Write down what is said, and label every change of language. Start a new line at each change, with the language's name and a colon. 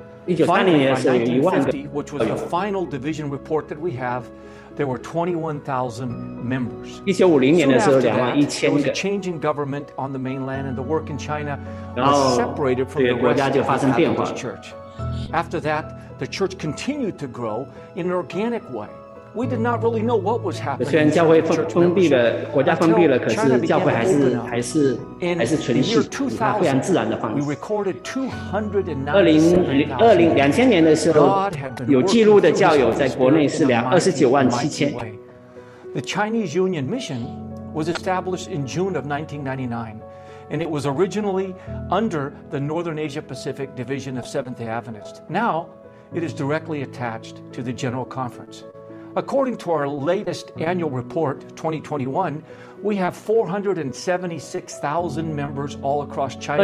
English: Finally, by 1950, which was the final division report that we have, there were 21,000 members. Soon after that, there was a change in government on the mainland and the work in China was separated from the rest of the Adventist church. After that, the church continued to grow in an organic way. We did not really know what was happening.
Chinese: 虽然教会封闭了，国家封闭了，可是教会还是存续，它非常自然的方式。 2000年的时候，有记录的教友在国内是29,700。
English: The Chinese Union Mission was established in June of 1999, and it was originally under the Northern Asia Pacific Division of Seventh-day Adventist. Now, it is directly attached to the General Conference. According to our latest annual report, 2021, we have 476,000 members all across China.